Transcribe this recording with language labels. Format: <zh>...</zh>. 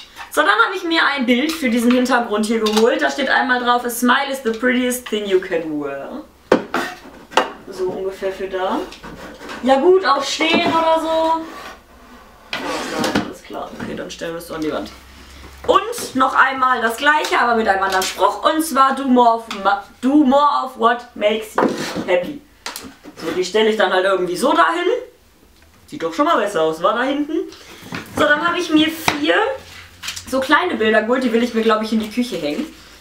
<de>So, dann habe ich mir ein Bild für diesen Hintergrund hier geholt. Da steht einmal drauf,</de> <en>a smile is the prettiest thing you can wear.</en> <de>So ungefähr für da. Ja gut, auch stehen oder so. Alles klar. Okay, dann stellen wir es so an die Wand. Und noch einmal das gleiche, aber mit einem anderen Spruch. Und zwar,</de> <en>do more of what makes you happy.</en> <de>So, die stelle ich dann halt irgendwie so dahin. Sieht doch schon mal besser aus, war da hinten. So, dann habe ich mir vier so kleine Bilder geholt. Die will ich mir, glaube ich, in die Küche hängen.</de>